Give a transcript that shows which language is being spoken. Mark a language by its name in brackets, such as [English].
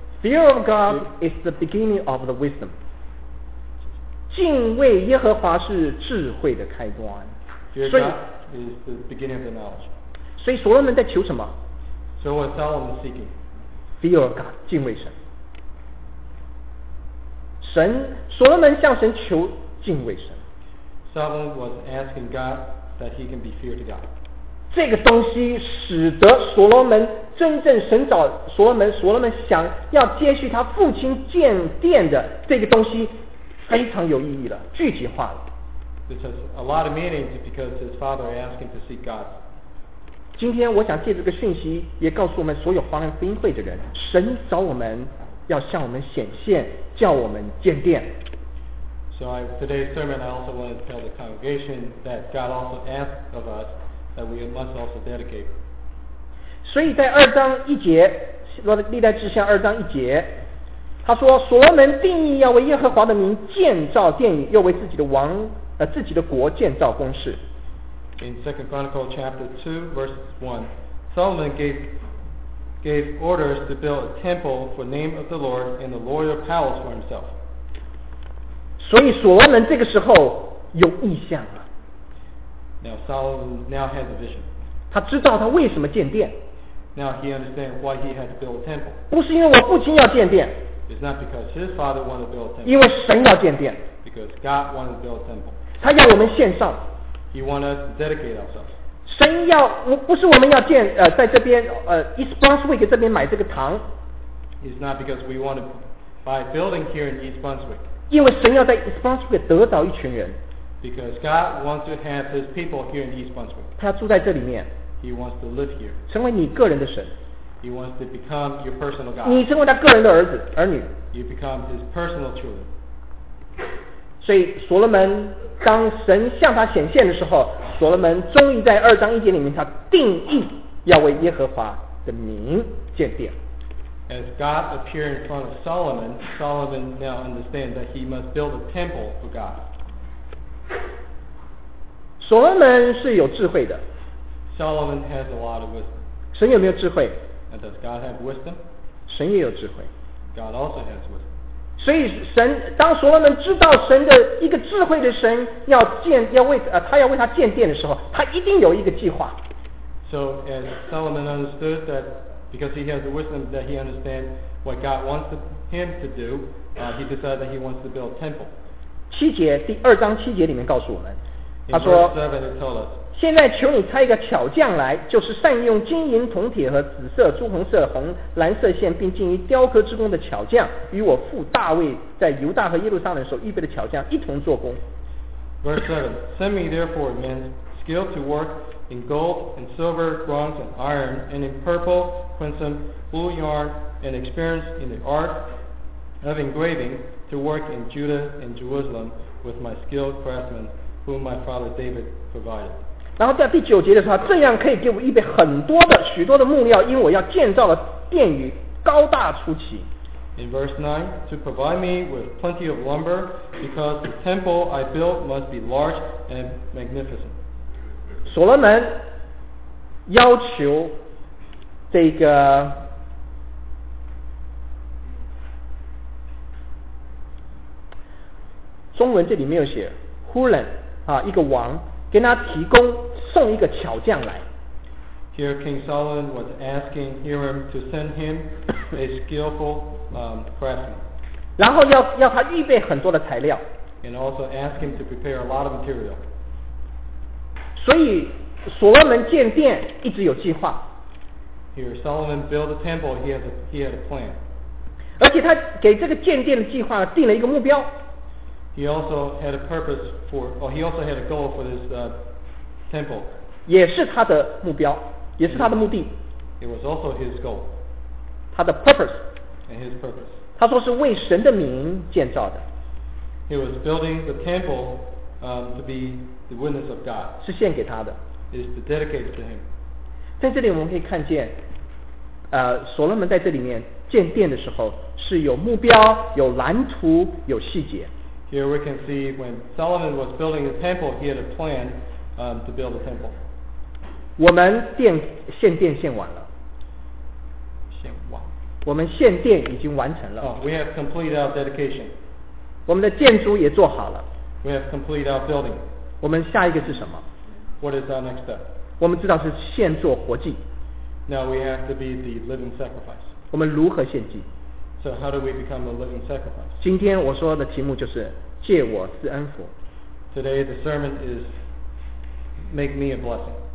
[English] fear of God is the beginning of the wisdom. [Chinese] 敬畏耶和华是智慧的开端。 [English] Fear God is the beginning of the knowledge. [Chinese] 所以所罗门在求什么？ [English] So what Solomon is seeking? Fear of God, [Chinese] 敬畏神。神，所罗门向神求敬畏神。 [English] Solomon was asking God that he can be feared to God. [Chinese] 这个东西使得所罗门真正神找所罗门，所罗门想要接续他父亲建殿的这个东西非常有意义了，具体化了。 [English] This has a lot of meaning because his father asked him to see God. [Chinese] 今天我想借这个讯息也告诉我们所有华人福音会的人，神找我们要向我们显现，叫我们建殿。 [English] So I, today's sermon, I also want to tell the congregation that God also asked of us. That we must also dedicate. [Chinese] 所以在二章一节，历代志下二章一节，他说所罗门定义要为耶和华的名建造殿宇，又为自己的王自己的国建造宫室。 [English] In 2 Chronicles chapter 2 verse 1, Solomon gave orders to build a temple for the name of the Lord and the royal palace for himself. [Chinese] 所以所罗门这个时候有意象了。 [English] Now Solomon now has a vision. [Chinese] 他知道他为什么建殿。 [English] Now he understands why he had to build a temple. [Chinese] 不是因为我父亲要建殿。 [English] It's not because his father wanted to build a temple. [Chinese] 因为神要建殿。 [English] Because God wanted to build a temple. [Chinese] 他要我们献上。 [English] He wanted us to dedicate ourselves. [Chinese] 神要不是我们要建在这边East Brunswick 这边买这个堂。 [English] It's not because we want to buy a building here in East Brunswick. [Chinese] 因为神要在 East Brunswick 得到一群人。 [English] Because God wants to have His people here in East Brunswick. [Chinese] 他住在这里面。 [English] He wants to live here. [Chinese] 成为你个人的神。 [English] He wants to become your personal God. [Chinese] 你成为他个人的儿子儿女。 [English] You become His personal children. [Chinese] 所以所罗门当神向他显现的时候，所罗门终于在二章一节里面，他定义要为耶和华的名建殿。 [English] As God appeared in front of Solomon, Solomon now understands that he must build a temple for God. [Chinese] 所罗门是有智慧的。 [English] Solomon has a lot of wisdom. [Chinese] 神有没有智慧？ [English] And does God have wisdom? [Chinese] 神也有智慧。 [English] God also has wisdom. [Chinese] 所以神当所罗门知道神的一个智慧的神要建要为他要为他建殿的时候，他一定有一个计划。 [English] So as Solomon understood that because he has the wisdom that he understands what God wants him to do, he decided that he wants to build a temple. [Chinese] 七节第二章七节里面告诉我们，他说 [English] 7, it told us, [Chinese] 现在求你差一个巧匠来，就是善用金银铜铁和紫色朱红色红蓝色线并进于雕刻之工的巧匠，与我父大卫在犹大和耶路撒冷所预备的巧匠一同做工。 [English] Verse 7 Send me therefore men skilled to work in gold and silver bronze and iron and in purple crimson blue yarn and experienced in the art of engravingTo work in Judah and Jerusalem with my skilled craftsmen, whom my father David provided. [Chinese] 然后在第九节的时候，这样可以给我预备很多的许多的木料，因为我要建造的殿宇高大出奇。 [English] In verse 9, to provide me with plenty of lumber, because the temple I built must be large and magnificent. [Chinese] 所罗门要求这个中文这里没有写 Hulan、啊、一个王跟他提供送一个巧匠来。 [English] Here King Solomon was asking Hiram to send him a skillful craftsman. [Chinese] 然后 要他预备很多的材料。 [English] And also ask him to prepare a lot of material. [Chinese] 所以所罗门建殿一直有计划。 [English] Here Solomon built a temple, he had a plan. [Chinese] 而且他给这个建殿的计划定了一个目标。 [English] He also had a goal for this temple. [Chinese] 也是他的目标。也是他的目的。 [English] It was also his goal. [Chinese] 他的 purpose. [English] And his purpose. [Chinese] 他说是为神的名建造的。 [English] He was building the temple, to be the witness of God. [Chinese] 是献给他的。 [English] Is to dedicate to him. [Chinese] 在这里我们可以看见，所罗门在这里面建殿的时候是有目标、有蓝图、有细节。 [English] Here we can see when Solomon was building the temple, he had a plan, to build the temple. [Chinese] 我们电献电献完了，献完。我们献电已经完成了。 [English] Oh, we have completed our dedication. [Chinese] 我们的建筑也做好了。 [English] We have completed our building. [Chinese] 我们下一个是什么 [English] ？What is our next step? [Chinese] 我们知道是献做活祭。 [English] Now we have to be the living sacrifice. [Chinese] 我们如何献祭 [English] ？So how do we become a living sacrifice? [Chinese] 今天我说的题目就是借我赐恩福。 [English] Today the sermon is make me a blessing.